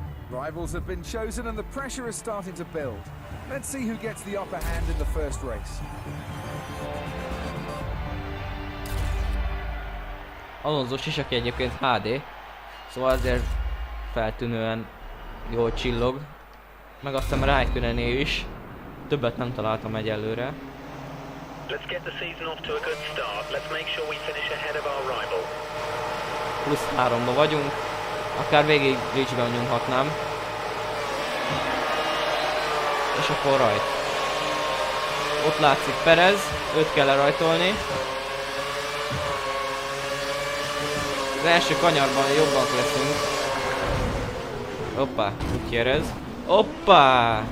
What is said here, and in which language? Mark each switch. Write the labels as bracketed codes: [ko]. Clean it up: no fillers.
[en] Rivals have been chosen and the pressure is starting to build. Let's see who gets the upper hand in the first race. [hu] Alonso sisakja egyébként HD, szóval azért feltűnően jól csillog. Meg aztán Raikkonené is. Többet nem találtam egyelőre. [en] Let's get the season off to a good start. Let's make sure we finish ahead of our rival. [hu] Plusz 3-ba vagyunk. Akár végig Ridge-ben nyomhatnám. És akkor rajt. Ott látszik Perez, őt kell lerajtolni. Az első kanyarban jobban leszünk. Hoppá, úgy kérdez. Hoppá!